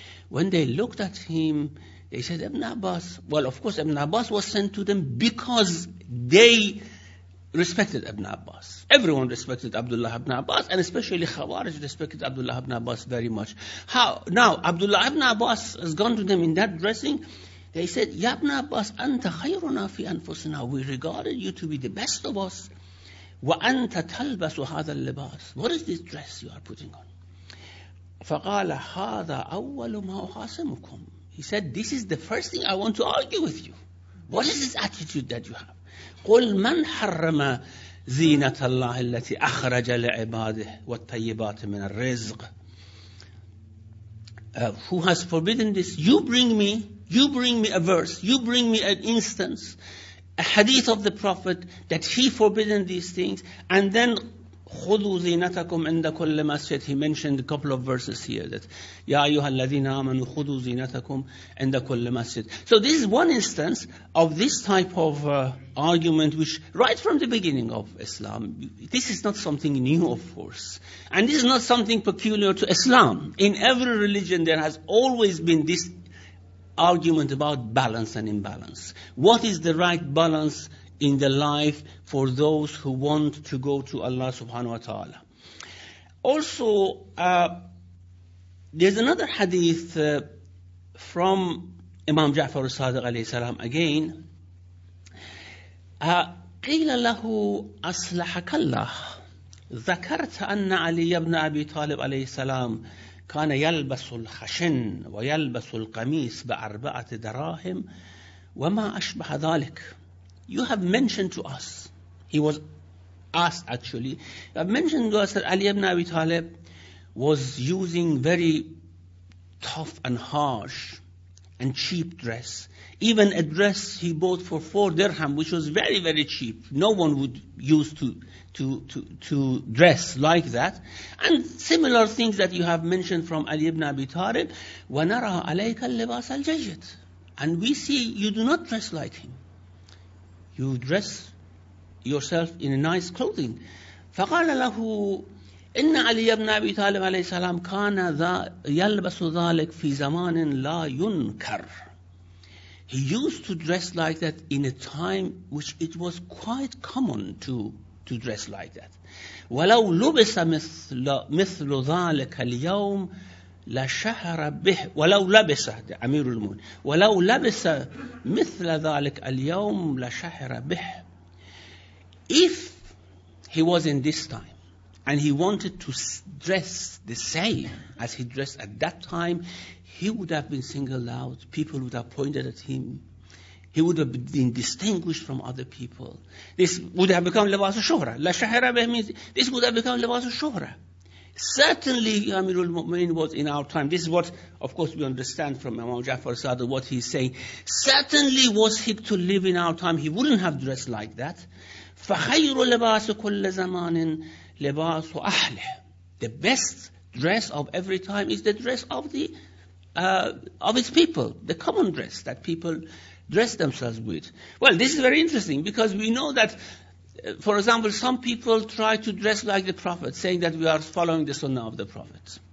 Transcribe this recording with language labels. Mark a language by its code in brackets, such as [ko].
[en] When they looked at him, they said, Ibn Abbas, well, of course, Ibn Abbas was sent to them because they respected Ibn Abbas. Everyone respected Abdullah ibn Abbas, and especially Khawarij respected Abdullah ibn Abbas very much. How? Now, Abdullah ibn Abbas has gone to them in that dressing. They said, [ar] يَا ابْنَ عَبَّاسِ أَنْتَ خَيْرُنَا فِي أَنفُسِنَا. [en] We regarded you to be the best of us. [ar] وَأَنْتَ تَلْبَسُ هَذَا اللِّبَاسِ. [en] What is this dress you are putting on? [ar] فَقَالَ هَذَا أَوَّلُ مَا أُخَاسِمُكُمْ. [en] He said, this is the first thing I want to argue with you. What is this attitude that you have? [ar] قُلْ مَنْ حَرَّمَ زينة الله التي أخرج لعباده والطيبات من الرزق. [en] Who has forbidden this? You bring me a verse, you bring me an instance, a hadith of the Prophet that he forbidden these things, and then [ar] خذوا زينتكم عند كل مسجد. [en] He mentioned a couple of verses here that [ar] يا أيها الذين آمنوا خذوا زينتكم عند كل مسجد. [en] So this is one instance of this type of argument, which right from the beginning of Islam, this is not something new, of course, and this is not something peculiar to Islam. In every religion there has always been this argument about balance and imbalance. What is the right balance in the life for those who want to go to Allah subhanahu wa ta'ala? Also, there's another hadith from Imam Ja'far al-Sadiq alayhi salam again. [ar] قِيلَ لَهُ أَصْلَحَكَ اللَّهِ ذَكَرْتَ أَنَّ عَلِيَّ بْنَ أَبِي طَالِبْ عَلَيْهِ السَّلَامِ كان يلبس الخشن ويلبس القميص بأربعة دراهم وما أشبه ذلك. [en] You have mentioned to us, he was asked actually, you have mentioned to us that Ali ibn Abi Talib was using very tough and harsh and cheap dress, even a dress he bought for 4 dirham, which was very, very cheap. No one would use to dress like that. And similar things that you have mentioned from Ali ibn Abi Talib, [ar] وَنَرَى عَلَيْكَ اللِّبَاسَ الْجَيِّدِ. [en] And we see you do not dress like him. You dress yourself in a nice clothing. [ar] فَقَالَ لَهُ إن علي بن أبي طالب عليه السلام كان يلبس ذلك في زمان لا ينكر. [en] He used to dress like that in a time which it was quite common to dress like that. [ar] ولو لبس مثل ذلك اليوم لشهر به. ولو لبس أمير المؤمنين. ولو لبس مثل ذلك اليوم لشهر به. [en] If he was in this time and he wanted to dress the same as he dressed at that time, he would have been singled out. People would have pointed at him. He would have been distinguished from other people. This would have become [ar] لباس الشهرة. لا شهرة [en] means this would have become لباس الشهرة. Certainly, Amirul Mu'minin was in our time. This is what, of course, we understand from Imam Ja'far al-Sadiq, what he's saying. Certainly, was he to live in our time, he wouldn't have dressed like that. [ar] فَخَيْرُ لَبَاسُ كُلَّ زَمَانٍ لباس أهله. [en] The best dress of every time is the dress of the of its people, the common dress that people dress themselves with. Well, this is very interesting because we know that, for example, some people try to dress like the Prophet, saying that we are following the Sunnah of the Prophet.